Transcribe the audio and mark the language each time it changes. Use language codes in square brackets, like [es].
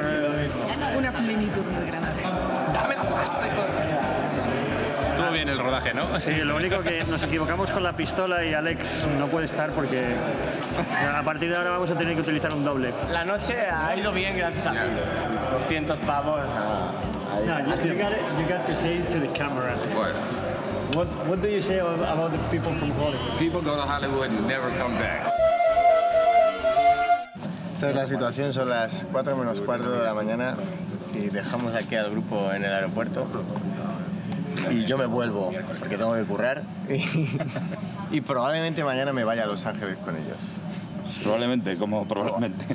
[es] Una plenitud muy grande. ¡Dame la pasta! Estuvo bien el rodaje, ¿no? Sí, lo único que nos equivocamos con la pistola y Alex no puede estar porque a partir de ahora vamos a tener que utilizar un doble. La noche ha ido bien gracias a ti. 200 pavos [en] You got to say it to the camera. What do you say about the people from Hollywood? People go to Hollywood and never come back. [es] Esta es la situación, son las 4 menos cuarto de la mañana y dejamos aquí al grupo en el aeropuerto y yo me vuelvo porque tengo que currar y probablemente mañana me vaya a Los Ángeles con ellos. Probablemente, como probablemente.